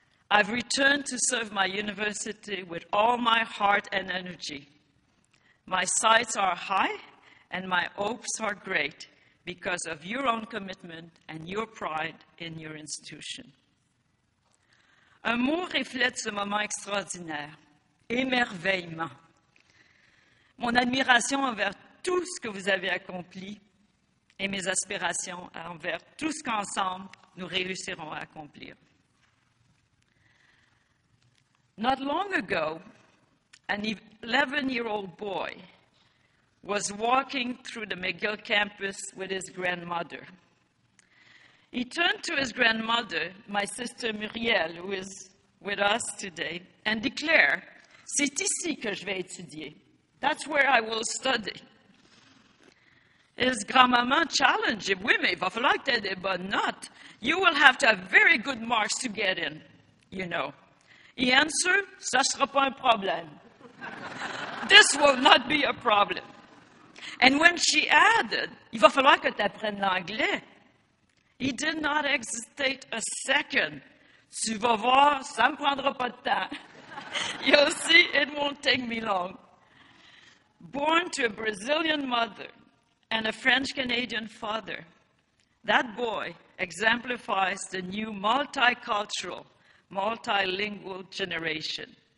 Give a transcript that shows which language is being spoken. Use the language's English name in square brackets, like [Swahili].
[English] I've returned to serve my university with all my heart and energy. My sights are high and my hopes are great because of your own commitment and your pride in your institution. [French] Un mot reflète ce moment extraordinaire, émerveillement. Mon admiration envers tout ce que vous avez accompli et mes aspirations envers tout ce qu'ensemble nous réussirons à accomplir. [English] Not long ago, an 11-year-old boy was walking through the McGill campus with his grandmother. He turned to his grandmother, my sister Muriel, who is with us today, and declared, [French] "C'est ici que je vais étudier. [English] That's where I will study." His grandmaman challenged him, [French] "Oui, mais il va falloir que tu aies des bonnes notes. [English] You will have to have very good marks to get in, you know." He answered, [French] "Ça ne sera pas un problème." [English] "This will not be a problem." And when she added, [French] "Il va falloir que tu apprennes l'anglais," [English] he did not hesitate a second. [French] "Tu vas voir, ça ne me prendra pas de temps." [English] "You'll see, it won't take me long." Born to a Brazilian mother and a French-Canadian father, that boy exemplifies the new multicultural, multilingual generation.